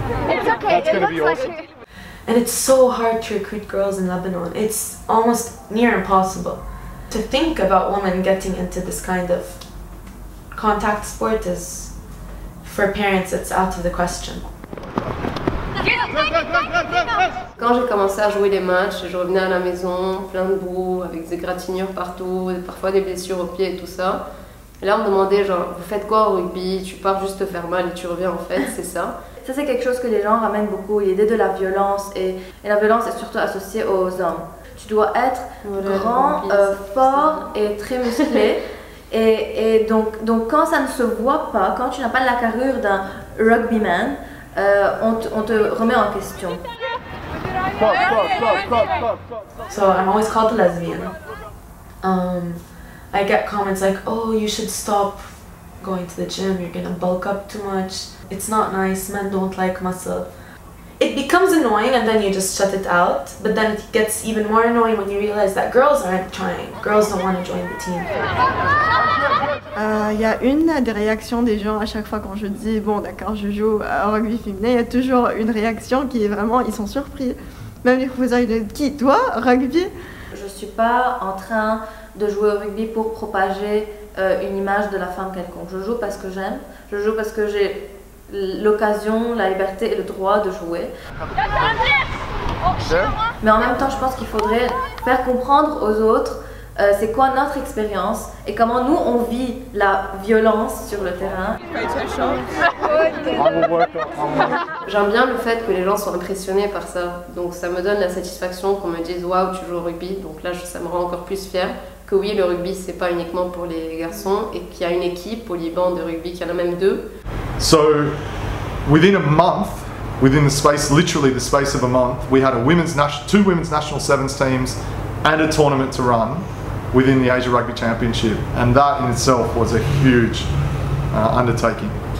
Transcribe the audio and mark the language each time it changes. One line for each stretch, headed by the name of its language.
English: It's okay, it looks like it. And it's so hard to recruit girls in Lebanon. It's almost near impossible. To think about women getting into this kind of contact sport is, for parents, it's out of the question.
French: Quand j'ai commencé à jouer les matchs, je revenais à la maison, plein de boue, avec des égratignures partout, parfois des blessures aux pieds et tout ça. Et là, on me demandait, genre, vous faites quoi au rugby? Tu pars juste te faire mal et tu reviens en fait, c'est ça? Ça, c'est quelque chose que les gens ramènent beaucoup, l'idée de la violence. Et la violence est surtout associée aux hommes. Tu dois être grand, fort et très musclé. et donc, quand ça ne se voit pas, quand tu n'as pas la carrure d'un rugbyman, on te remet en question.
English: So I'm always called a lesbian. I get comments like, oh, you should stop going to the gym, you're gonna bulk up too much. It's not nice, men don't like muscle. It becomes annoying and then you just shut it out, but then it gets even more annoying when you realize that girls aren't trying. Girls don't want to join the team.
French: Il y a une des réactions des gens à chaque fois quand je dis « Bon, d'accord, je joue au rugby féminin », il y a toujours une réaction qui est vraiment, ils sont surpris. Même les professeurs, ils disent « Qui, toi, rugby ?» Je ne suis pas en train de jouer au rugby pour propager une image de la femme quelconque. Je joue parce que j'aime, je joue parce que j'ai l'occasion, la liberté et le droit de jouer. Mais en même temps, je pense qu'il faudrait faire comprendre aux autres c'est quoi notre expérience et comment nous on vit la violence sur le terrain. J'aime bien le fait que les gens soient impressionnés par ça. Donc ça me donne la satisfaction qu'on me dise waouh, tu joues au rugby. Donc là, ça me rend encore plus fière que oui, le rugby c'est pas uniquement pour les garçons et qu'il y a une équipe au Liban de rugby, qu'il y en a même deux.
English: So, within a month, within the space, literally the space of a month, we had a two women's national sevens teams and a tournament to run within the Asia Rugby Championship. And that in itself was a huge undertaking.